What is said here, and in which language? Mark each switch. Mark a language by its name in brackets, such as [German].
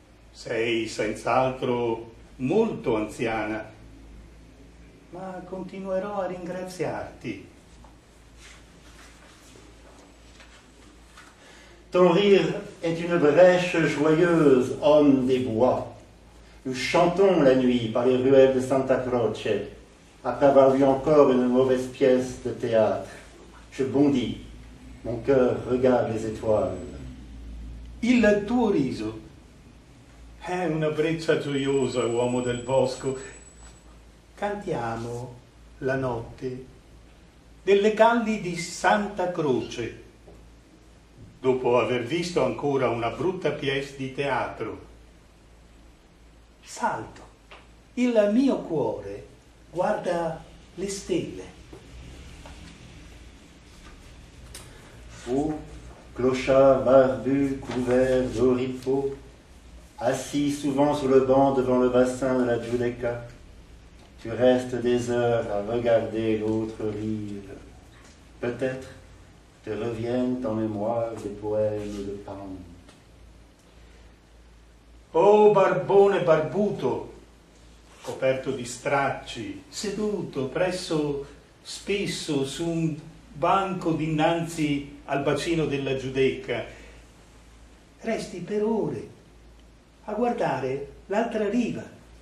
[Italian] Sei senz'altro molto anziana, ma continuerò a ringraziarti. [French] Ton rire est une brèche joyeuse, homme des bois. Nous chantons la nuit par les ruelles de Santa Croce. Après avoir vu encore une mauvaise pièce de théâtre, je bondis, mon cœur regarde les étoiles. [Italian] Il tuo riso è una breccia gioiosa, uomo del bosco. Cantiamo la notte delle calli di Santa Croce, dopo aver visto ancora una brutta pièce di teatro. Salto, il mio cuore guarda le stelle. [French] Oh, clochard barbu couvert d'oripeaux, assis souvent sur le banc devant le bassin de la Giudecca, tu restes des heures à regarder l'autre rive. Peut-être te reviennent en mémoire des poèmes de Pante. [Italian] Oh, barbone barbuto, coperto di stracci, seduto presso spesso su un banco dinanzi al bacino della Giudecca. Resti per ore a guardare l'altra riva.